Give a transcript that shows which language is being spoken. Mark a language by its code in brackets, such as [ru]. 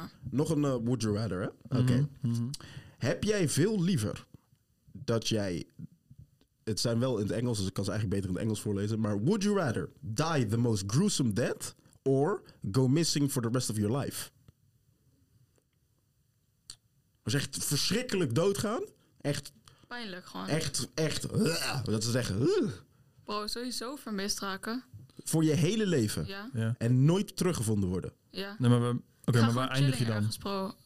[nl] Nog een [en] would you rather, [nl] hè? Oké. Okay. Mm-hmm. Heb jij veel liever dat jij... Het zijn wel in het Engels, dus ik kan ze eigenlijk beter in het Engels voorlezen. Maar [en] would you rather die the most gruesome death or go missing for the rest of your life? [nl] Dat is echt verschrikkelijk doodgaan. Echt. Pijnlijk gewoon. Echt. Dat ze zeggen. Bro, sowieso vermist raken. Voor je hele leven. Ja. En nooit teruggevonden worden. Ja. Nee, maar waar eindig je dan? Ergens, bro.